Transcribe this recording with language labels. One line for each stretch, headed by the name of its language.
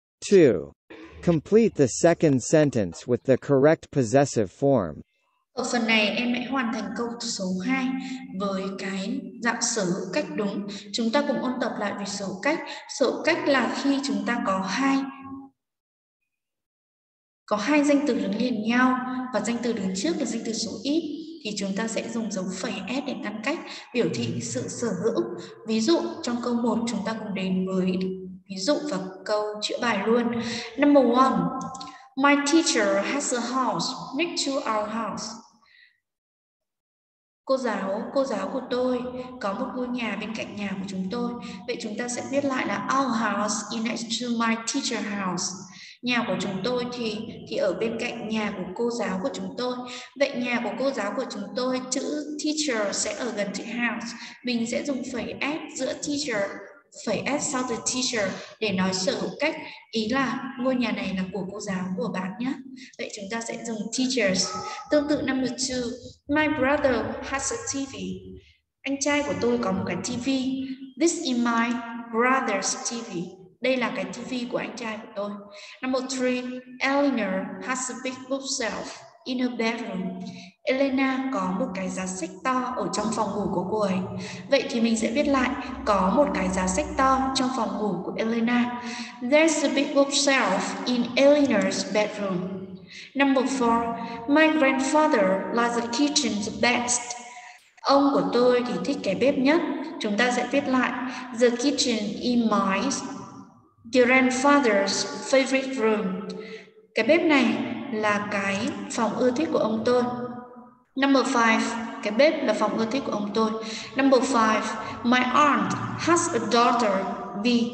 English: Two. Complete the second sentence with the correct possessive form.
Vietnamese: Ở phần này em hãy hoàn thành câu số 2 với cái dạng sở hữu cách đúng. Chúng ta cùng ôn tập lại về sở hữu cách. Sở hữu cách là khi chúng ta có hai danh từ đứng liền nhau và danh từ đứng trước là danh từ số ít thì chúng ta sẽ dùng dấu phẩy S để ngăn cách biểu thị sự sở hữu. Ví dụ trong câu 1 chúng ta cùng đến với ví dụ và câu chữa bài luôn.
English: Number 1. My teacher has a house next to our house.
Vietnamese: Cô giáo của tôi có một ngôi nhà bên cạnh nhà của chúng tôi. Vậy chúng ta sẽ viết lại là
English: our house is next to my teacher's house.
Vietnamese: Nhà của chúng tôi thì ở bên cạnh nhà của cô giáo của chúng tôi. Vậy nhà của cô giáo của chúng tôi, chữ teacher sẽ ở gần chữ house. Mình sẽ dùng phẩy S giữa teacher, phẩy S sau the teacher để nói sở hữu cách, ý là ngôi nhà này là của cô giáo của bạn nhé. Vậy chúng ta sẽ dùng
English: teachers.
Vietnamese: Tương tự
English: number 2, my brother has a TV.
Vietnamese: Anh trai của tôi có một cái TV.
English: This is my brother's TV.
Vietnamese: Đây là cái TV của anh trai của tôi.
English: Number 3, Eleanor has a big bookshelf in her bedroom.
Vietnamese: Elena có một cái giá sách to ở trong phòng ngủ của cô ấy. Vậy thì mình sẽ viết lại có một cái giá sách to trong phòng ngủ của Elena.
English: There's a big bookshelf in Eleanor's bedroom. Number 4, my grandfather likes the kitchen the best.
Vietnamese: Ông của tôi thì thích cái bếp nhất. Chúng ta sẽ viết lại
English: the kitchen in my grandfather's favorite room.
Vietnamese: Cái bếp này là cái phòng ưa thích của ông tôi.
English: Number 5, cái bếp là phòng ưa thích của ông tôi. Number 5, my aunt has a daughter V.